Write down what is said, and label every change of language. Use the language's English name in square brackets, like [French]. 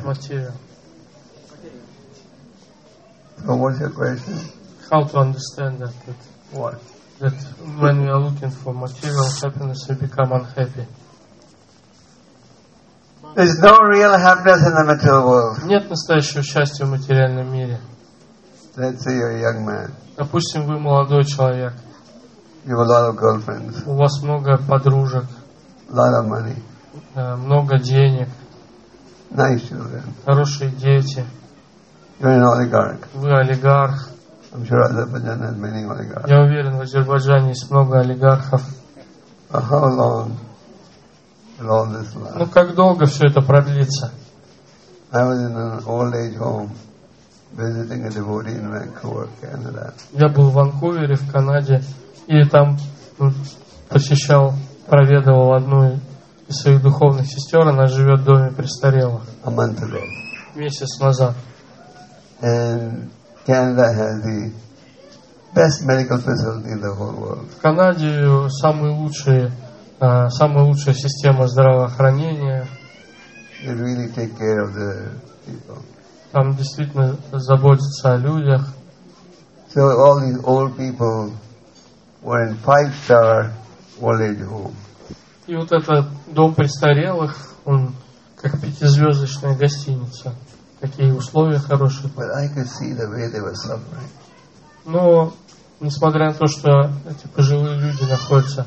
[English] Material. So what's your question? How to understand that? That what? That when we are looking for material happiness, we become unhappy. There's no real happiness in the material world. [Russian] Нет настоящего счастья в материальном мире. [English] Let's say you're a young man. [Russian] Допустим, вы молодой человек. [English] You have a lot of girlfriends. [Russian] У вас много подружек. [English] Lot of money. [Russian] Много денег. [English] Nice children. [Russian] Хорошие дети. [English] You're an oligarch. [Russian] Вы олигарх. [English] I'm sure Azerbaijan has many oligarchs. [Russian] Я уверен, в Азербайджане есть много олигархов. [English] How long will all this last? [Russian] Ну как долго все это продлится? [English] I was in an old age home visiting a devotee in Vancouver, Canada. [Russian] Я был в Ванкувере, в Канаде. И там посещал, проведывал одну из своих духовных сестер, она живет в доме престарелых. [English] A month ago. [Russian] Месяц назад. [English] And Canada has the best medical facility in the whole world. [Russian] В Канаде самая лучшая система здравоохранения. [English] They really take care of the people. [Russian] Там действительно заботятся о людях. [English] So all these old people were in five-star old age home. [Russian] И вот этот дом престарелых, он как пятизвездочная гостиница. Такие условия хорошие. [English] But I could see the way they were suffering. [Russian] Но, несмотря на то, что эти пожилые люди находятся